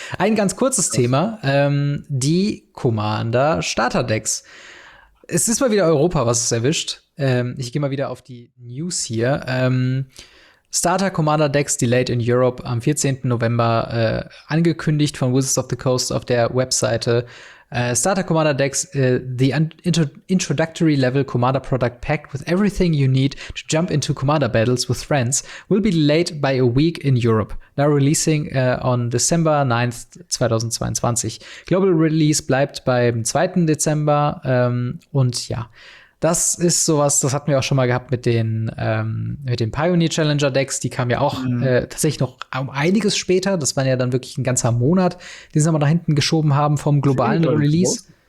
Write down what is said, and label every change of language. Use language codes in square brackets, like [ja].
[de] Ein ganz kurzes Thema, die Commander-Starter-Decks. Es ist mal wieder Europa, was es erwischt. Ich gehe mal wieder auf die News hier. [en] Starter-Commander-Decks delayed in Europe [de] am 14. November angekündigt von Wizards of the Coast auf der Webseite. [en] Starter-Commander-Decks, the introductory level Commander product packed with everything you need to jump into Commander battles with friends will be delayed by a week in Europe. Now releasing on December 9th, 2022. [de] Global Release bleibt beim 2. Dezember. Und ja, das ist sowas, das hatten wir auch schon mal gehabt mit den Pioneer-Challenger-Decks. Die kamen ja auch tatsächlich noch um einiges später. Das waren ja dann wirklich ein ganzer Monat, den sie mal nach hinten geschoben haben vom globalen Release.